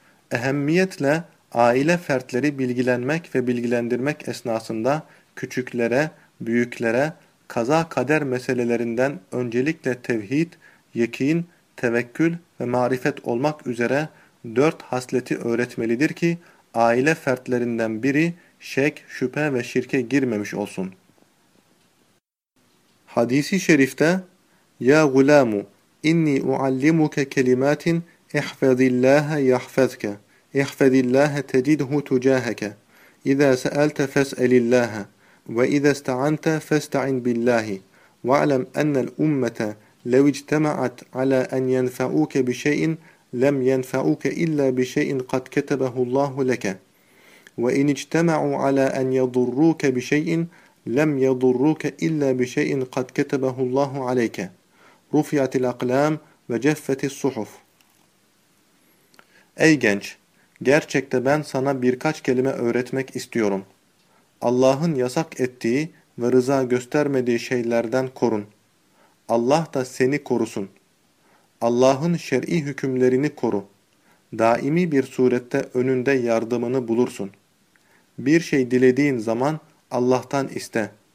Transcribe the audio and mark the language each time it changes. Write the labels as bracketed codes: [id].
[tr] Ehemmiyetle aile fertleri bilgilenmek ve bilgilendirmek esnasında küçüklere, büyüklere kaza kader meselelerinden öncelikle tevhid, yekin, tevekkül ve marifet olmak üzere dört hasleti öğretmelidir ki aile fertlerinden biri şek, şüphe ve şirke girmemiş olsun. Hadisi şerifte [ar] Ya gulamu inni uallimuke kelimatin ihfazillaha yahfazke احفظ الله تجده تجاهك إذا سألت فاسأل الله وإذا استعنت فاستعن بالله واعلم أن الأمة لو اجتمعت على أن ينفعوك بشيء لم ينفعوك إلا بشيء قد كتبه الله لك وإن اجتمعوا على أن يضروك بشيء لم يضروك إلا بشيء قد كتبه الله عليك رفعت الأقلام وجفت الصحف أي [tr] genç. Gerçekte ben sana birkaç kelime öğretmek istiyorum. Allah'ın yasak ettiği ve rıza göstermediği şeylerden korun. Allah da seni korusun. Allah'ın şer'i hükümlerini koru. Daimi bir surette önünde yardımını bulursun. Bir şey dilediğin zaman Allah'tan iste.